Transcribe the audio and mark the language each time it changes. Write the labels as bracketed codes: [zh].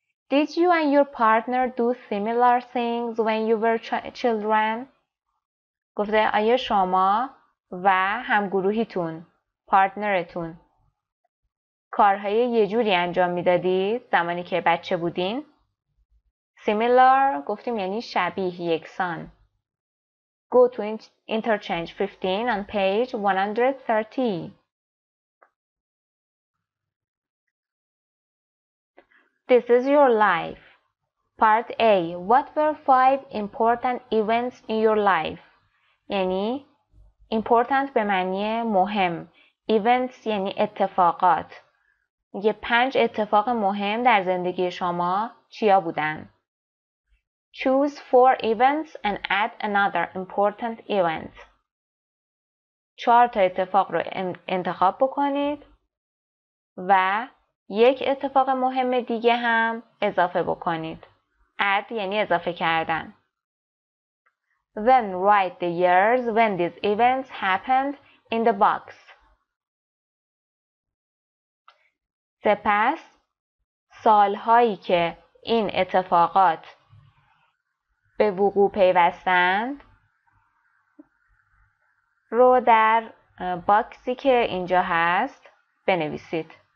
[en] Did you and your partner do similar things when you were children? [fa] گفته آیا شما و همگروهیتون پارتنرتون کارهای یه جوری انجام میدادید زمانی که بچه بودین؟ Similar گفتیم یعنی شبیه، یکسان. [en] Go to interchange 15 on page 130. This is your life. Part A. What were 5 important events in your life? [fa] یعنی important به معنی مهم. Events یعنی اتفاقات. یه 5 اتفاق مهم در زندگی شما چیا بودن؟ [en] Choose 4 events and add another important event. [fa] 4 تا اتفاق رو انتخاب بکنید و یک اتفاق مهم دیگه هم اضافه بکنید. Add یعنی اضافه کردن. [en] Then write the years when these events happened in the box. [fa] سپس سالهایی که این اتفاقات به وقوع پیوستند رو در باکسی که اینجا هست بنویسید.